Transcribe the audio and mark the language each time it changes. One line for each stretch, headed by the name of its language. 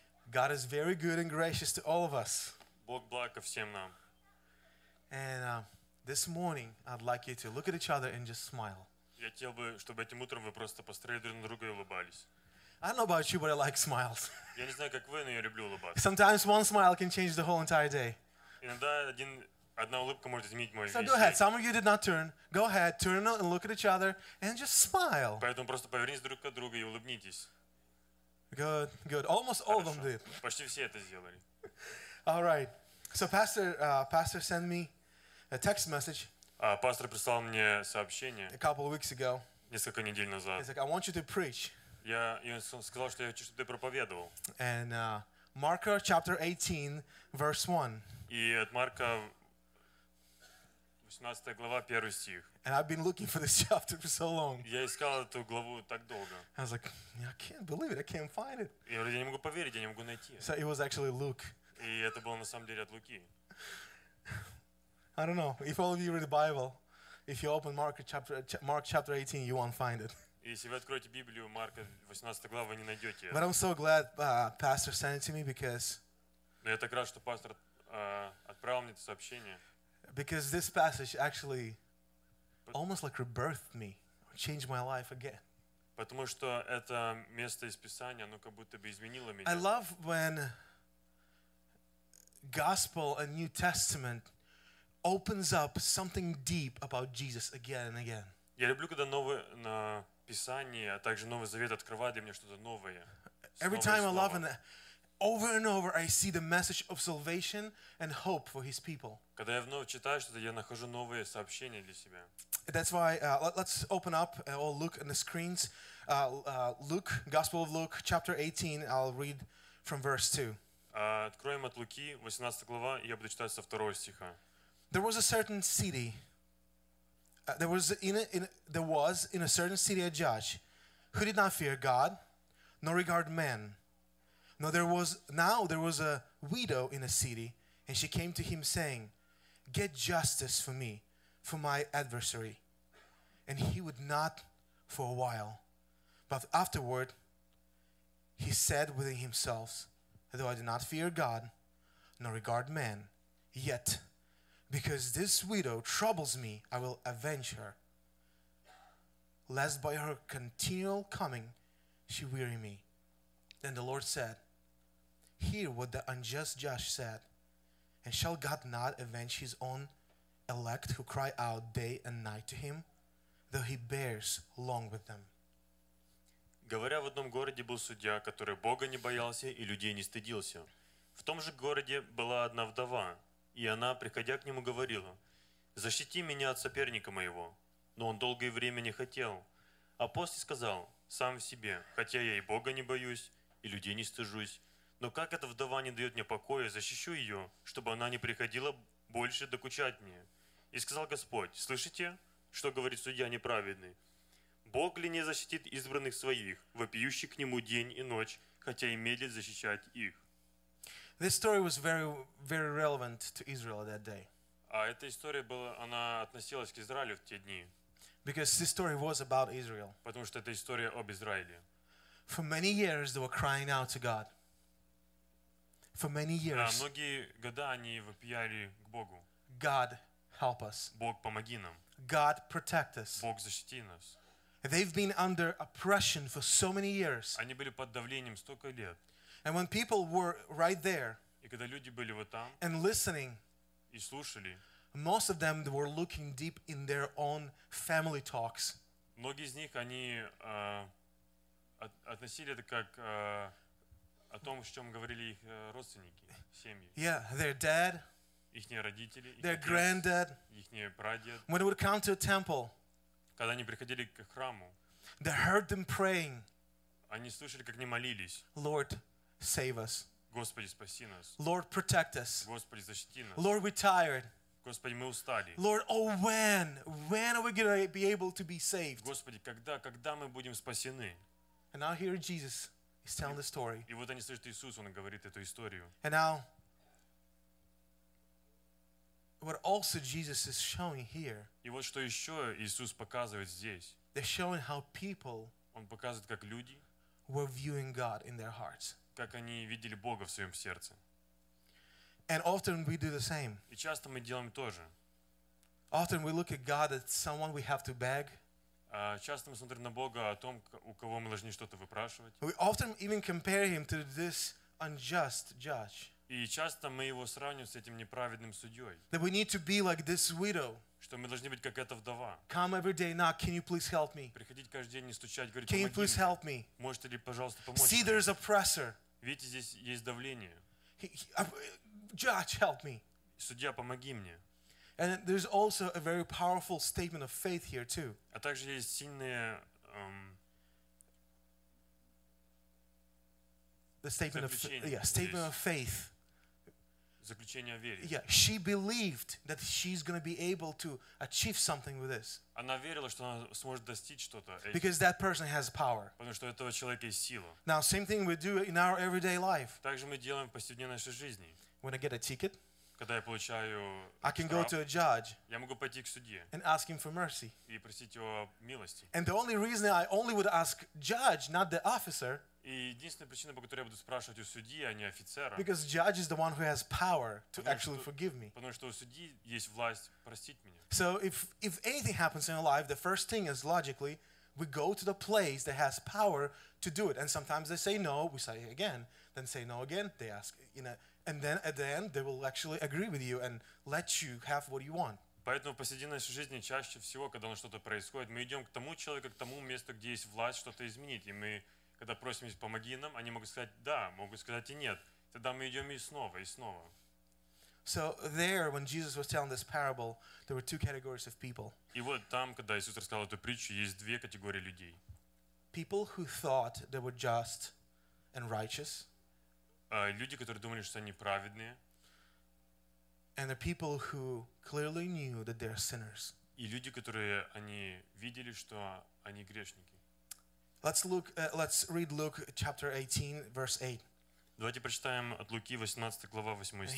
English: God is very good and gracious to all of us.
Russian: Бог благ ко всем нам.
English: And this morning, I'd like you to look at each other and just smile.
Russian: Я хотел бы, чтобы этим утром вы просто посмотрели друг на друга и улыбались.
English: I don't know about you, but I like smiles.
Russian: Я не знаю, как вы, но я люблю улыбаться.
English: Sometimes one smile can change the whole entire day.
Russian: Иногда одна улыбка может изменить мой день.
English: So go ahead. Some of you did not turn. Go ahead, turn and look at each other and just smile.
Russian: Поэтому просто повернитесь друг к другу и улыбнитесь.
English: Good, good. Almost all of them did.
Russian: Почти все это сделали.
English: All right. So pastor sent me a text message.
Russian: Пастор прислал мне сообщение.
English: A couple of weeks ago.
Russian: Несколько недель назад.
English: He's like, I want you to preach.
Russian: Я сказал, что я хочу, чтобы ты проповедовал.
English: And Marka chapter 18 verse 1.
Russian: И от Марка 18 глава 1 стих.
English: And I've been looking for this chapter for so long.
Russian: Я искал эту главу так долго.
English: I was like, I can't believe it. I can't find it.
Russian: Я вроде не могу поверить, я не могу найти.
English: So it was actually Luke.
Russian: И это было на самом деле от Луки.
English: I don't know. If all of you read the Bible, if you open Mark chapter 18, you won't find it.
Russian: Если вы откроете Библию Марка 18 главы, не найдете.
English: But I'm so glad pastor sent it to me because.
Russian: Но я так рад, что пастор отправил мне это сообщение.
English: Because this passage actually almost like rebirthed me, changed my life again.
Russian: Потому что это место из Писания, оно как будто бы изменило меня.
English: I love when Gospel and New Testament opens up something deep about Jesus again and again.
Russian: Я люблю, когда новое Писание, а также Новый Завет открывает для меня что-то новое.
English: Every time I love it, over and over, I see the message of salvation and hope for His people.
Russian: Когда я вновь читаю что-то, я нахожу новые сообщения для себя.
English: That's why let's open up or look on the screens. Luke, Gospel of Luke, chapter 18. I'll read from verse 2.
Russian: Откроем от Луки 18 глава, и я буду читать со второго стиха.
English: There was a certain city. There was in a certain city a judge who did not fear God nor regard man. Now there was a widow in a city, and she came to him saying, get justice for me, for my adversary. And he would not for a while. But afterward he said within himself, though I do not fear God nor regard man, yet because this widow troubles me, I will avenge her, lest by her continual coming she weary me. Then the Lord said, hear what the unjust judge said, and shall God not avenge his own elect who cry out day and night to him, though he bears long with them?
Russian: Говоря, в одном городе был судья, который Бога не боялся и людей не стыдился. В том же городе была одна вдова. И она, приходя к нему, говорила, «Защити меня от соперника моего». Но он долгое время не хотел. А после сказал сам в себе, «Хотя я и Бога не боюсь, и людей не стыжусь, но как эта вдова не дает мне покоя, защищу ее, чтобы она не приходила больше докучать мне». И сказал Господь, «Слышите, что говорит судья неправедный? Бог ли не защитит избранных своих, вопиющих к нему день и ночь, хотя и медлит защищать их?»
English: This story was very, very relevant to Israel that day.
Russian: А эта история была, она относилась к Израилю в те дни.
English: Because this story was about Israel.
Russian: Потому что эта история об Израиле.
English: For many years they were crying out to God. For many years.
Russian: А многие года они вопияли к Богу.
English: God help us.
Russian: Бог помоги нам.
English: God protect us.
Russian: Бог защити нас.
English: They've been under oppression for so many years.
Russian: Они были под давлением столько лет.
English: And when people were right there,
Russian: и когда люди были вот там,
English: and listening,
Russian: и слушали,
English: most of them were looking deep in their own family talks.
Russian: Многие из них они относили это как о том, о чем говорили их родственники, семьи.
English: Yeah, their dad,
Russian: ихние родители,
English: their granddad,
Russian: ихние прадед.
English: When they would come to a temple,
Russian: когда они приходили к храму,
English: they heard them praying.
Russian: Они слышали, как они молились.
English: Lord, save us.
Russian: Господи, спаси нас.
English: Lord, protect us.
Russian: Господи, защити нас.
English: Lord, we're tired.
Russian: Господи, мы устали.
English: Lord, oh when are we going to be able to be saved?
Russian: Господи, когда мы будем спасены?
English: And now here Jesus is telling the story.
Russian: И вот они слышат Иисус, он говорит эту историю.
English: And now what also Jesus is showing here.
Russian: И вот что ещё Иисус показывает здесь.
English: They're showing how people
Russian: Он показывает, как люди
English: were viewing God in their hearts.
Russian: Как они видели Бога в своём сердце.
English: And often we do the same.
Russian: И часто мы делаем то же.
English: Often we look at God as someone we have to beg.
Russian: Часто мы смотрим на Бога о том, у кого мы должны что-то выпрашивать.
English: We often even compare him to this unjust judge.
Russian: И часто мы его сравниваем с этим неправедным судьёй.
English: That we need to be like this widow.
Russian: Что мы должны быть как эта вдова.
English: Come every day knock, can you please help me?
Russian: Приходить каждый день и стучать, говорить:
English: "Can you please help me?"
Russian: Можете ли, пожалуйста, помочь?
English: See, there's a pressure.
Russian: Видите, здесь есть давление.
English: Judge, help me.
Russian: Судья, помоги мне.
English: And there's also a very powerful statement of faith here too.
Russian: А также есть сильное
English: the statement of statement of faith.
Russian: Заключение о вере.
English: Yeah, she believed that she's going to be able to achieve something with this.
Russian: Она верила, что она сможет достичь что-то.
English: Because that person has power.
Russian: Потому что у этого человека есть сила.
English: Now same thing we do in our everyday life.
Russian: Также мы делаем в повседневной нашей жизни.
English: When I get a ticket,
Russian: когда я получаю
English: I can go to a judge.
Russian: Я могу пойти к судье.
English: And ask him for mercy.
Russian: И просить его милости.
English: And the only reason I only would ask judge, not the officer.
Russian: И единственная причина, по которой я буду спрашивать у судьи, а не офицера.
English: Because judge is the one who has power to actually forgive me.
Russian: Потому что у судьи есть власть простить меня.
English: So if anything happens in our life, the first thing is logically we go to the place that has power to do it. And sometimes they say no, we say again, then say no again, they ask, you know, and then at the end they will actually agree with you and let you have what you want.
Russian: Поэтому в повседневной жизни чаще всего, когда у нас что-то происходит, мы идём к тому человеку, к тому месту, где есть власть что-то изменить, и мы Когда просим их помоги нам, они могут сказать да, могут сказать и нет. Тогда мы идём и снова, и снова.
English: So there when Jesus was telling this parable, there were two categories of people.
Russian: И вот там, когда Иисус рассказал эту притчу, есть две категории людей.
English: People who thought they were just and righteous.
Russian: Люди, которые думали, что они праведные.
English: And the people who clearly knew that they're sinners.
Russian: И люди, которые они видели, что они грешники.
English: Let's read Luke chapter 18 verse 8.
Russian: Давайте прочитаем от Луки 18 глава 8 стих.